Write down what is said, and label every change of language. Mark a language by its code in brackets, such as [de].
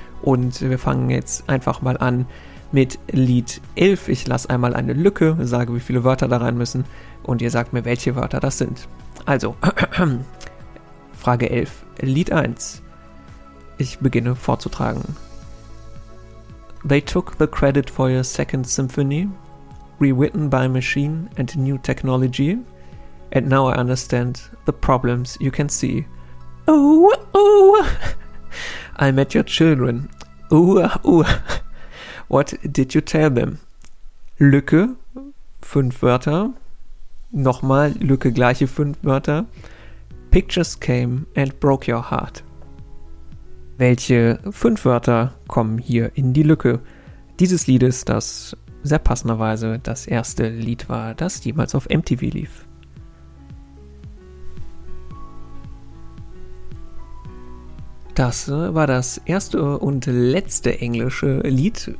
[de] Und wir fangen jetzt einfach mal an mit Lied 11. Ich lasse einmal eine Lücke, sage, wie viele Wörter da rein müssen und ihr sagt mir, welche Wörter das sind. Also, Frage 11, Lied 1. Ich beginne vorzutragen. [en] They took the credit for your second symphony, rewritten by machine and new technology, and now I understand the problems you can see. Oh. I met your children. What did you tell them? [de] Lücke, 5 Wörter. Nochmal Lücke, gleiche 5 Wörter. [en] Pictures came and broke your heart. [de] Welche 5 Wörter kommen hier in die Lücke? Dieses Lied ist das sehr passenderweise das erste Lied war, das jemals auf MTV lief. Das war das erste und letzte englische Lied.